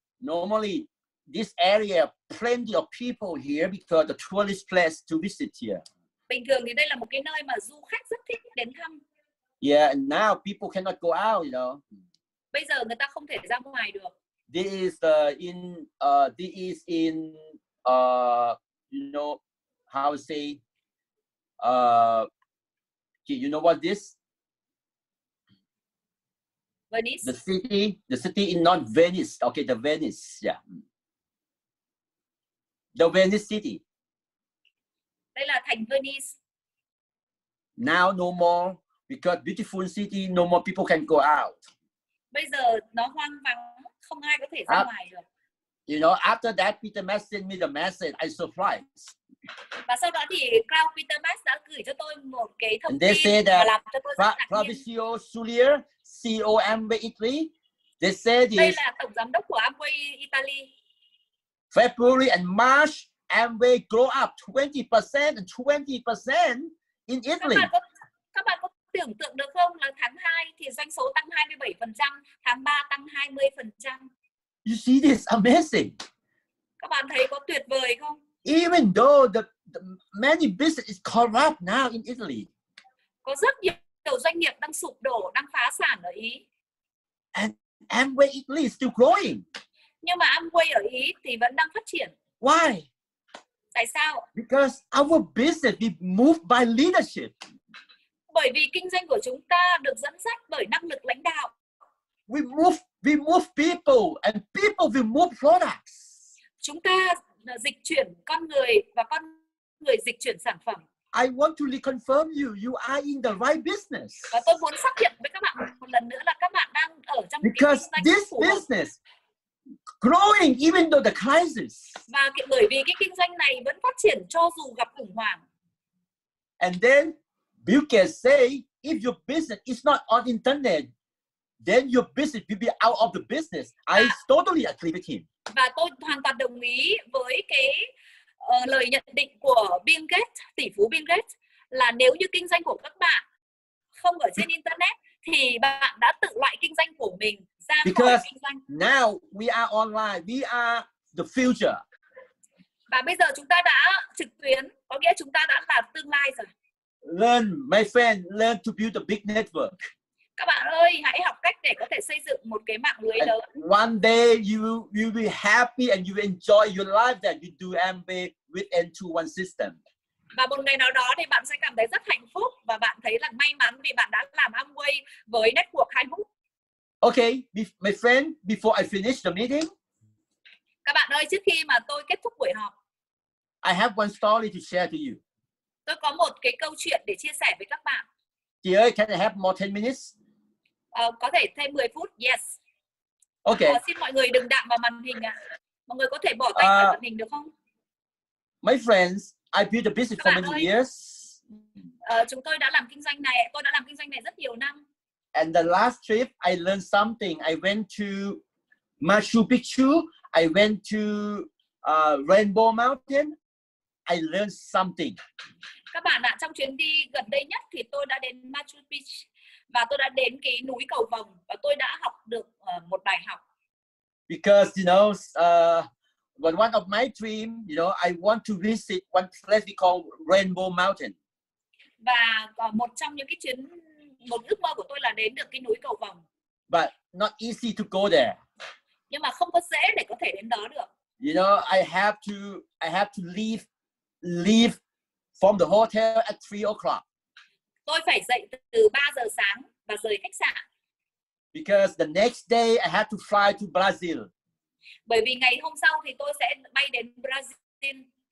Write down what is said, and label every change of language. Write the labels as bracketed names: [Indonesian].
[English] Normally this area plenty of people here because the tourist place to visit here. [Vietnamese] Bình thường thì đây là một cái nơi mà du khách rất thích đến thăm. [English] Yeah, and now people cannot go out, you know. [Vietnamese] Bây giờ người ta không thể ra ngoài được. [English] This is in this is in you know how to say you know what this? Venice. The city is not Venice. Okay, the Venice, yeah. The Venice city. [Vietnamese] Đây là thành Venice. [English] Now no more because beautiful city, no more people can go out. [Vietnamese] Bây giờ nó hoang vắng, không ai có thể ra ngoài được. [English] You know, after that Peter Mac sent me the message, I surprised. [Vietnamese] Và sau đó thì Cloud Peter Mac đã gửi cho tôi một cái thông tin và làm cho tôi rất ngạc nhiên. [English] Fabrizio Sulier, COMBE3, they said [Vietnamese] đây là tổng giám đốc của Amway Italy. [English] February and March, Amway grow up 20% and 20% in Italy. [Vietnamese] Các bạn có tưởng tượng được không, là tháng 2 thì doanh số tăng 27%, tháng 3 tăng 20%. [English] You see this amazing. [Vietnamese] Các bạn thấy có tuyệt vời không? [English] Even though the many business is corrupt now in Italy. [Vietnamese] Có rất nhiều doanh nghiệp đang sụp đổ, đang phá sản ở Ý. [English] And Amway Italy is still growing. [Vietnamese] Nhưng mà Amway ở Ý thì vẫn đang phát triển. [English] Why? [Vietnamese] Tại sao? [English] Because our business is moved by leadership. [Vietnamese] Bởi vì kinh doanh của chúng ta được dẫn dắt bởi năng lực lãnh đạo. [English] We move people and people will move products. [Vietnamese] Chúng ta dịch chuyển con người và con người dịch chuyển sản phẩm. [English] I want to reconfirm you are in the right business. [Vietnamese] Và tôi muốn xác nhận với các bạn một lần nữa là các bạn đang ở trong cái business. [English] Because this business growing even though the crisis. [Vietnamese] Và bởi vì cái kinh doanh này vẫn phát triển cho dù gặp khủng hoảng. [English] And then Bill Gates say if your business is not on internet, then your business will be out of the business. I totally agree with him. [Vietnamese] Và tôi hoàn toàn đồng ý với cái lời nhận định của Bill Gates, tỷ phú Bill Gates, là nếu như kinh doanh của các bạn không ở trên internet thì bạn đã tự loại kinh doanh của mình ra khỏi kinh doanh. [English] Now we are online, we are the future. [Vietnamese] Và bây giờ chúng ta đã trực tuyến, có nghĩa chúng ta đã là tương lai rồi. [English] Learn, my friend, learn to build a big network. [Vietnamese] Các bạn ơi, hãy học cách để có thể xây dựng một cái mạng lưới lớn. [English] One day you will be happy and you will enjoy your life that you do Amway with N21 system. [Vietnamese] Và một ngày nào đó thì bạn sẽ cảm thấy rất hạnh phúc và bạn thấy là may mắn vì bạn đã làm Amway với network 21. [English] Okay, my friend, before I finish the meeting. [Vietnamese] Các bạn ơi, trước khi mà tôi kết thúc buổi họp. [English] I have one story to share to you. [Vietnamese] Tôi có một cái câu chuyện để chia sẻ với các bạn. Chị ơi, [English] can I have more 10 minutes? [Vietnamese] Có thể thêm 10 phút, yes. [English] Okay. [Vietnamese] Xin mọi người đừng đạm vào màn hình ạ. Mọi người có thể bỏ tay vào màn hình được không? [English] My friends, I built a business for many years. [Vietnamese] Chúng tôi đã làm kinh doanh này, tôi đã làm kinh doanh này rất nhiều năm. [English] And the last trip, I learned something. I went to Machu Picchu, I went to Rainbow Mountain. I learned something. [Vietnamese] Các bạn ạ, trong chuyến đi gần đây nhất thì tôi đã đến Machu Picchu và tôi đã đến cái núi cầu vồng và tôi đã học được một bài học. [English] Because you know, one of my dream, you know, I want to visit one place we call Rainbow Mountain. [Vietnamese] Và một trong những cái chuyến một ước mơ của tôi là đến được cái núi cầu vồng. [English] But not easy to go there. [Vietnamese] Nhưng mà không có dễ để có thể đến đó được. [English] You know, I have to leave from the hotel at 3 o'clock. [Vietnamese] Tôi phải dậy từ 3 giờ sáng và rời khách sạn. [English] Because the next day I had to fly to Brazil. [Vietnamese] Bởi vì ngày hôm sau thì tôi sẽ bay đến Brazil.